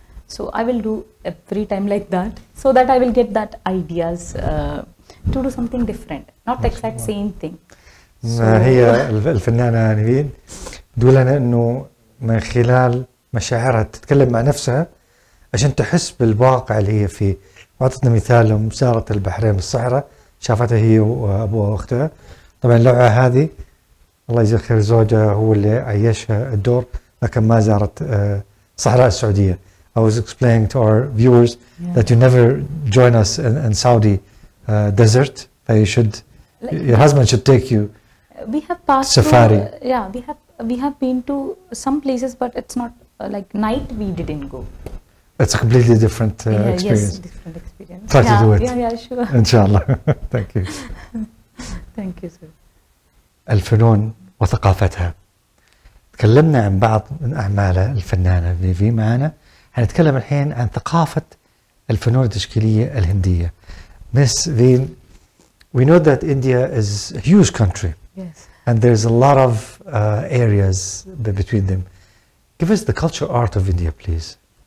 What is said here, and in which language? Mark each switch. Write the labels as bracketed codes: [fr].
[en] So I will do every time like that, so that I will get that ideas to do something different, not the exact same thing. [ar] ما هي الفنانة نبيل تقول لنا انه من خلال مشاعرها تتكلم مع نفسها عشان تحس بالواقع اللي هي فيه. وعطتنا مثال مسارة البحرين بالصحراء شافتها هي وابوها واختها. طبعا اللوعة هذه الله يجزيه خير زوجها هو اللي عيشها الدور لكن ما زارت صحراء السعودية. [en] I was explaining to our viewers that you never join us in Saudi desert. That you should, your husband should take you. We have passed safari. We have been to some places, but it's not like night. We didn't go. It's a completely different experience. Yes, different experience. Try to do it. Yeah, sure. Inshallah. Thank you. Thank you, sir. [ar] الفنون وثقافتها. تكلمنا عن بعض من أعمال الفنانة فيفي معنا. هنتكلم الحين عن ثقافة الفنون التشكيلية الهندية. [en] Miss Veen, we know that India is a huge country. Yes. And there's a lot of areas between them. Give us the culture art of India, please.